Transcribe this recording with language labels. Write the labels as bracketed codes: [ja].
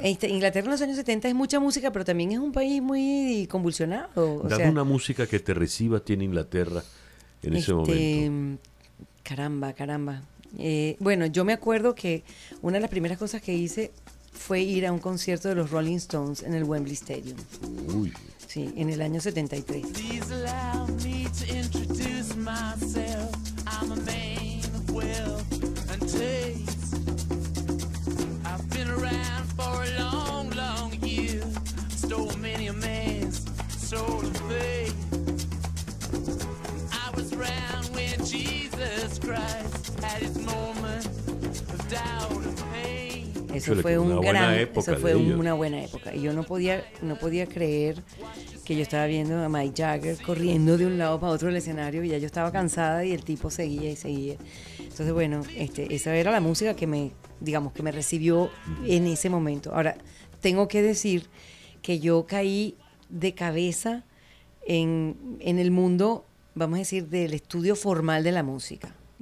[es] Inglaterra en los años 70 es mucha música, pero también es un país muy convulsionado. Dame una música que te reciba tiene Inglaterra en ese momento. Caramba, caramba. Bueno, yo me acuerdo que una de las primeras cosas que hice fue ir a un concierto de los Rolling Stones en el Wembley Stadium. Uy. Sí, en el año 73. [en] Please allow me to introduce myself. I'm a man of wealth and taste. I've been around for a long, long year. Stole many a man's soul and faith. I was around when Jesus Christ had his moment of doubt and pain. [es] Eso fue una gran época. Eso fue una buena época. Y yo no podía creer que yo estaba viendo a Mick Jagger corriendo de un lado para otro del escenario y ya yo estaba cansada y el tipo seguía y seguía. Entonces, bueno, esa era la música que me, digamos, que me recibió en ese momento. Ahora, tengo que decir que yo caí de cabeza en el mundo, vamos a decir, del estudio formal de la música.